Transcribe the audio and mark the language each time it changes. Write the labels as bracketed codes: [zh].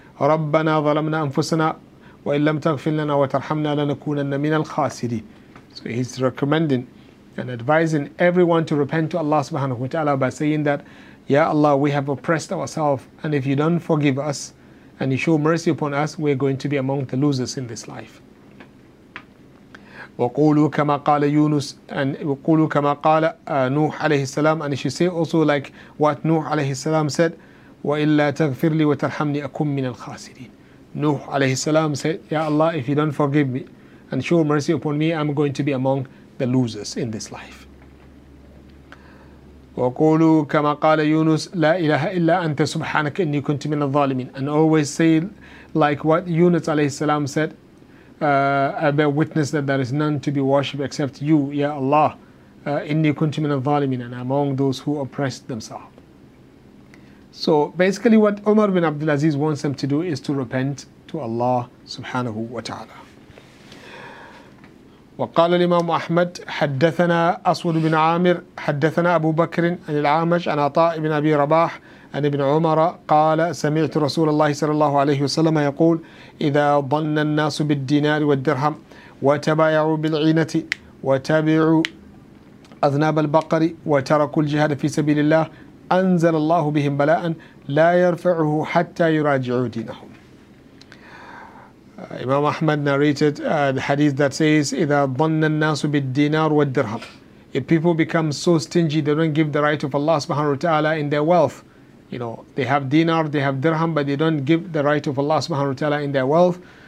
[ar] رَبَّنَا ظَلَمْنَا أَنفُسَنَا وَإِن لَمْ تَغْفِرْ لَنَا وَتَرْحَمْنَا لَنَكُونَنَّ مِنَ الْخَاسِرِينَ. [en] So he's recommending and advising everyone to repent to Allah subhanahu wa ta'ala by saying that, Ya Allah, we have oppressed ourselves, and if you don't forgive us and you show mercy upon us, we're going to be among the losers in this life. [ar] وَقُولُوا كَمَا قَالَ يُونُسُ and وَقُولُوا كَمَا قَالَ نُوحُ عَلَيْهِ السَّلَامُ [en] and she say also like what Nuh alayhi salam said, [ar] وَإِلَّا تَغْفِرْ لِي وَتَرْحَمْنِي أَكُمْ مِنَ الْخَاسِرِينَ. [en] Nuh alayhi salam said, Ya Allah, if you don't forgive me and show mercy upon me, I'm going to be among the losers in this life. [ar] وَقُولُوا كَمَا قَالَ يُونُسُ لَا إِلَهَ إِلَّا أَنْتَ سُبْحَانَكَ إِنِّي كُنْتُ مِنَ الظَّالِمِينَ [en] and always say like what Yunus alayhi salam said, I bear witness that there is none to be worshipped except you, Ya Allah. Inni kunti min al-zalimin, and among those who oppressed themselves. So basically what Umar bin Abdulaziz wants them to do is to repent to Allah subhanahu wa ta'ala. [ar] وقال الإمام أحمد حدثنا أسود بن عامر حدثنا أبو بكر عن العامش عن عطاء بن أبي رباح عن ابن عمر قال سمعت رسول الله صلى الله عليه وسلم يقول إذا ظن الناس بالدينار والدرهم وتبايعوا بالعينة وتبعوا أذناب البقر وتركوا الجهاد في سبيل الله أنزل الله بهم بلاء لا يرفعه حتى يراجعوا دينهم. [en] Imam Ahmad narrated the hadith that says, [ar] إِذَا ظَنَّ النَّاسُ بِالدِّينَارُ وَالدِّرْهَمُ [en] If people become so stingy, they don't give the right of Allah subhanahu wa ta'ala in their wealth. You know, they have dinar, they have dirham, but they don't give the right of Allah subhanahu wa ta'ala in their wealth.